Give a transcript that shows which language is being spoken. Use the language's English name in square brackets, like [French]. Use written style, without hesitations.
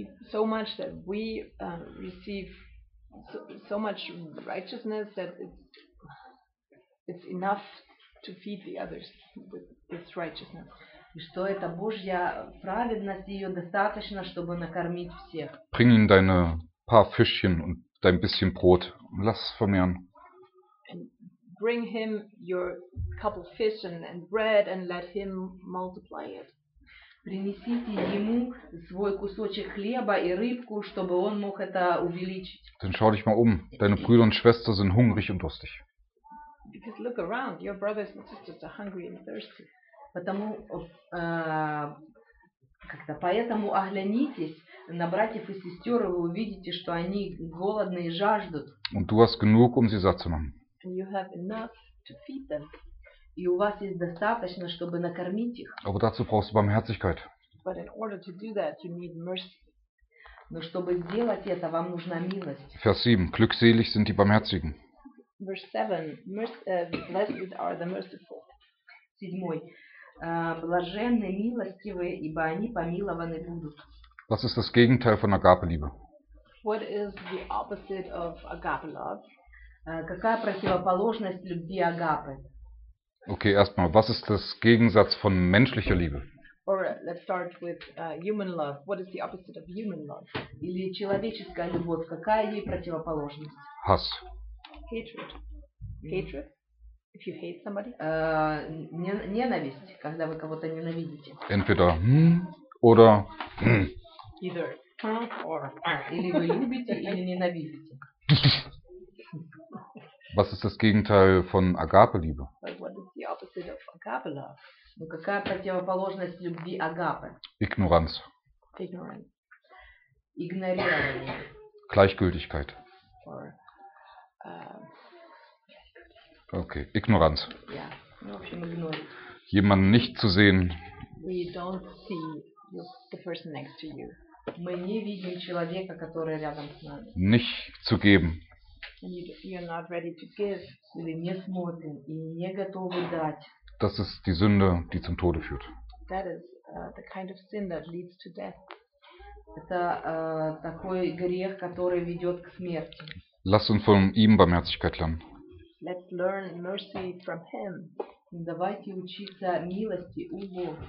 [English] So much that we receive so much righteousness that it's enough to feed the others with this righteousness. [Russian] И что это Божья праведность, ее достаточно, чтобы накормить всех. [German] Bring ihnen deine paar Fischchen und dein bisschen Brot. Lass es vermehren. [English] Bring him your couple of fish and bread and let him multiply it. [Russian] Принесите ему свой кусочек хлеба и рыбку, чтобы он мог это увеличить. [German] Dann schau dich mal um. Deine Brüder und Schwestern sind hungrig und durstig. [English] Because look around. Your brothers and sisters are hungry and thirsty. [Russian] Потому, как-то поэтому оглянитесь на братьев и сестер, и вы увидите, что они голодны и жаждут. [German] Und du hast genug, um sie satt zu machen. [English] And you have enough to feed them. [Russian] И у вас есть достаточно, чтобы накормить их. [German] Aber dazu brauchst du Barmherzigkeit. [English] But in order to do that, you need mercy. [Russian] Но чтобы сделать это, вам нужна милость. [German] Vers 7. Glückselig sind die Barmherzigen. [English] Verse 7. Blessed are the merciful. [Russian] 7. Блаженны, милостивые, ибо они помилованы будут. [German] Was ist das Gegenteil von Agape-Liebe? [English] What is the opposite of agape love? [Russian] Какая противоположность любви агапы? [German] Okay, erstmal, was ist das Gegensatz von menschlicher Liebe? [English] Or let's start with human love. What is the opposite of human love? [Russian] Или человеческая любовь, какая ей противоположность? [German] Hass. [English] Hatred. Hatred? If you hate somebody? [Russian] Ненависть, когда вы кого-то ненавидите. [German] Entweder oder [English] Either or [Russian] Или вы любите, или ненавидите. [German] Was ist das Gegenteil von Agape-Liebe? [English] What is the opposite of Agape-Love? [Russian] Ну, какая противоположность любви Агапы? [German] Ignoranz. [English] Ignorance. [Russian] Игнорирование. [German] Gleichgültigkeit. [English] Or, [German] okay, Ignoranz. [English] Yeah. [German] Jemanden nicht zu sehen. [English] We don't see the person next to you. [Russian] Мы не видим человека, который рядом с нами. [German] Nicht zu geben. [English] you're not ready to give. [Russian] Или не смотрим и не готовы дать. [German] Das ist die Sünde, die zum Tode führt. [English] That is the kind of sin that leads to death. [Russian] Это такой грех, который ведет к смерти. [German] Lass uns von ihm Barmherzigkeit lernen. [English] Let's learn mercy from him. [Russian] Давайте учиться милости у Бога.